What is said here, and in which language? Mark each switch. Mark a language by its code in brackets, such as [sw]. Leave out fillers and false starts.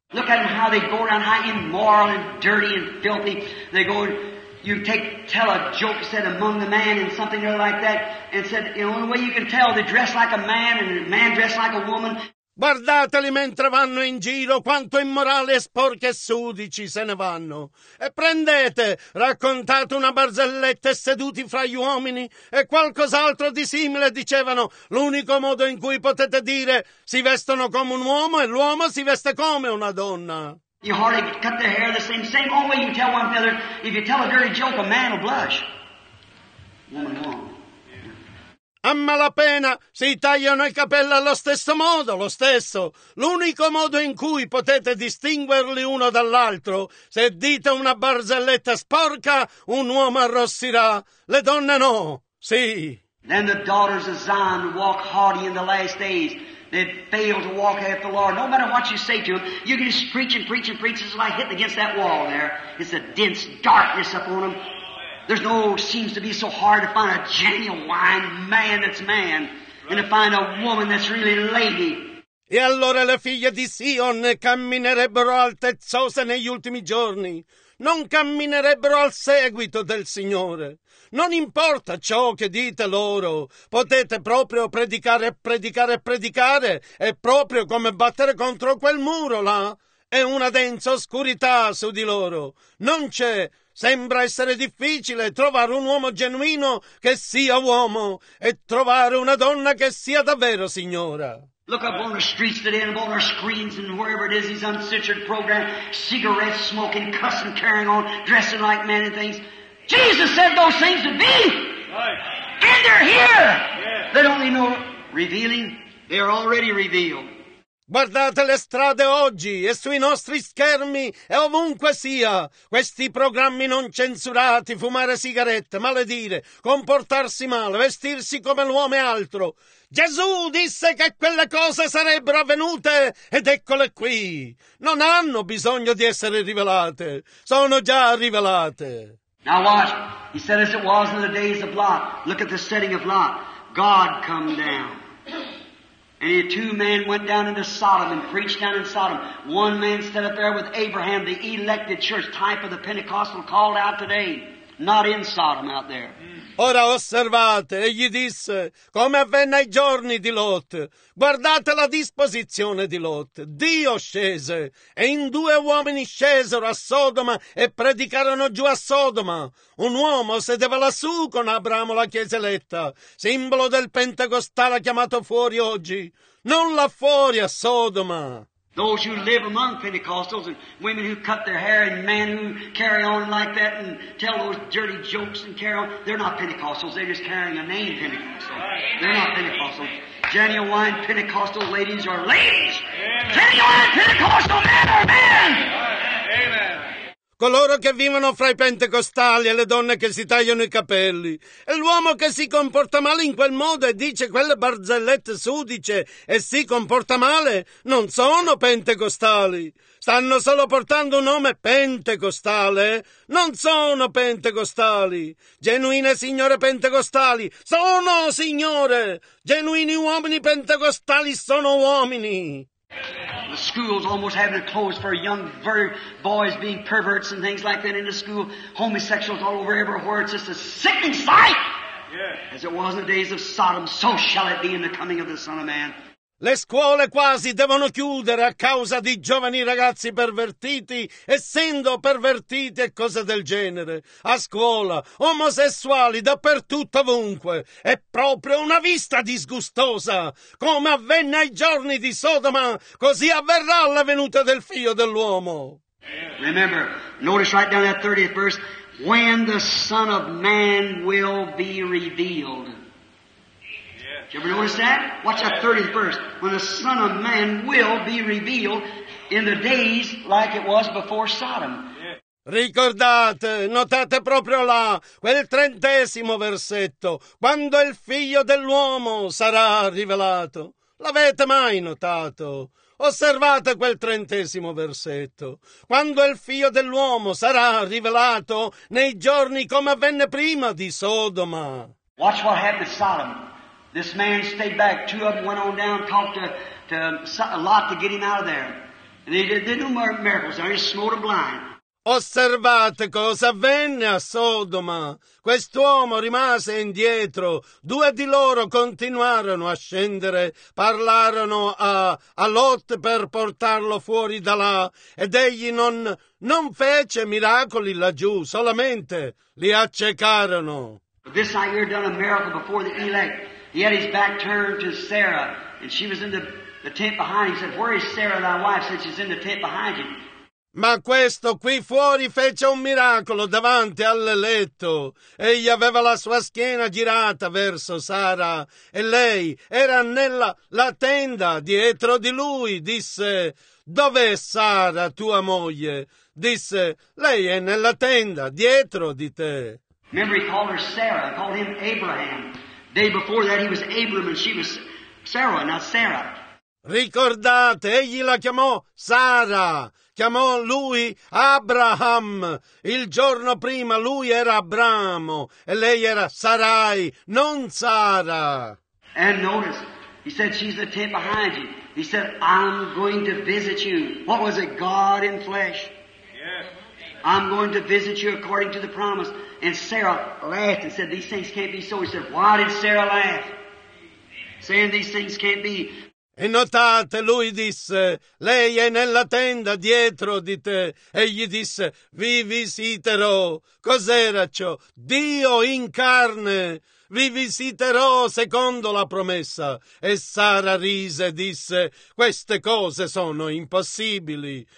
[en] Look at how they go around, how immoral and dirty and filthy. They go, you take, tell a joke, said among the man and something like that, and said, the only way you can tell, they dress like a man and a man dress like a woman. [it] Guardateli mentre vanno in giro, quanto immorali e sporchi e sudici se ne vanno. E prendete, raccontate una barzelletta e seduti fra gli uomini e qualcos'altro di simile, dicevano, l'unico modo in cui potete dire si vestono come un uomo e l'uomo si veste come una donna. [en] You hardly cut their hair the same only way you tell one another. If you tell a dirty joke, a man will blush. Woman won't. [it] A malapena si tagliano i capelli allo stesso modo, lo stesso. L'unico modo in cui potete distinguerli uno dall'altro, se dite una barzelletta sporca, un uomo arrossirà. Le donne no, sì. [en] Then the daughters of Zion walk haughty in the last days. They fail to walk after the Lord. No matter what you say to them, you can just preach and preach and preach. It's like hitting against that wall there. It's a dense darkness up on them. There's no seems to be so hard to find a genuine man that's man and to find a woman that's really lady. [it] E allora le figlie di Sion camminerebbero altezzose negli ultimi giorni. Non camminerebbero al seguito del Signore. Non importa ciò che dite loro. Potete proprio predicare e predicare e predicare. È proprio come battere contro quel muro là. È una densa oscurità su di loro. Non c'è. Sembra essere difficile trovare un uomo genuino che sia uomo e trovare una donna che sia davvero signora. [en] Look up on the streets today and up on our screens and wherever it is, these uncensored programs, cigarettes smoking, cussing, carrying on, dressing like men and things. Jesus said those things to be. Right. And they're here. They don't need no revealing. They are already revealed. [it] Guardate le strade oggi e sui nostri schermi e ovunque sia. Questi programmi non censurati, fumare sigarette, maledire, comportarsi male, vestirsi come l'uomo e altro. Gesù disse che quelle cose sarebbero avvenute ed eccole qui. Non hanno bisogno di essere rivelate. Sono già rivelate. [en] Now watch. He said as it was in the days of Lot. Look at the setting of Lot. God come down. And two men went down into Sodom and preached down in Sodom. One man stood up there with Abraham, the elected church type of the Pentecostal called out today. Not in Sodom out there. [it] Ora osservate, egli disse, come avvenne ai giorni di Lot. Guardate la disposizione di Lot. Dio scese, e in due uomini scesero a Sodoma e predicarono giù a Sodoma. Un uomo sedeva lassù con Abramo la chiesa eletta, simbolo del Pentecostale chiamato fuori oggi. Non là fuori a Sodoma. [en] Those who live among Pentecostals and women who cut their hair and men who carry on like that and tell those dirty jokes and carry on, they're not Pentecostals. They're just carrying a name Pentecostal. They're not Pentecostals. Genuine Pentecostal ladies are ladies. Amen. Genuine Pentecostal men are men. Amen. [it] Coloro che vivono fra i pentecostali e le donne che si tagliano i capelli. E l'uomo che si comporta male in quel modo e dice quelle barzellette sudice e si comporta male, non sono pentecostali. Stanno solo portando un nome pentecostale. Non sono pentecostali. Genuine signore pentecostali. Sono signore. Genuini uomini pentecostali sono uomini. [en] The school's almost having to close for young boys being perverts and things like that in the school. Homosexuals all over everywhere. It's just a sickening sight. Yeah. As it was in the days of Sodom, so shall it be in the coming of the Son of Man. [it] Le scuole quasi devono chiudere a causa di giovani ragazzi pervertiti, essendo pervertiti e cose del genere. A scuola, omosessuali dappertutto ovunque. È proprio una vista disgustosa. Come avvenne ai giorni di Sodoma, così avverrà la venuta del Figlio dell'uomo. [en] Remember, notice right down that 30th verse, when the Son of Man will be revealed. You ever notice that? Watch that 30th verse. When the Son of Man will be revealed in the days like it was before Sodom. [it] Ricordate, notate proprio là, quel trentesimo versetto, quando il Figlio dell'uomo sarà rivelato. L'avete mai notato? Osservate quel trentesimo versetto. Quando il Figlio dell'uomo sarà rivelato nei giorni come avvenne prima di Sodoma. [en] Watch what happened to Sodom. This man stayed back. Two of them went on down, talked to Lot to get him out of there. And they did no miracles. They just smote him blind. [it] Osservate cosa avvenne a Sodoma. Quest'uomo rimase indietro. Due di loro continuarono a scendere. Parlarono a Lot per portarlo fuori da là. Ed egli non fece miracoli laggiù. Solamente li accecarono. [en] But this night you've done a miracle before the elect. He had his back turned to Sarah, and she was in the tent behind him. He said, where is Sarah, thy wife, since she's in the tent behind you? [it] Ma questo qui fuori fece un miracolo davanti all'eletto. Egli aveva la sua schiena girata verso Sara, e lei era nella la tenda dietro di lui. Disse, dov'è Sara, tua moglie? Disse, lei è nella tenda dietro di te. [en] Remember, he called her Sarah, he called him Abraham. Day before that he was Abram and she was Sarah, not Sarah. [it] Ricordate, egli la chiamò Sara, chiamò lui Abraham. Il giorno prima lui era Abramo e lei era Sarai, non Sara. [en] And notice, he said, she's the tent behind you. He said, I'm going to visit you. What was it? God in flesh. Yeah. I'm going to visit you according to the promise. And Sarah laughed and said, these things can't be so. He said, why did Sarah laugh? Saying these things can't be. [it] E notate, lui disse, lei è nella tenda dietro di te. Egli disse, vi visiterò. Cos'era ciò? Dio in carne. Vi visiterò secondo la promessa. E Sara rise e disse, queste cose sono impossibili.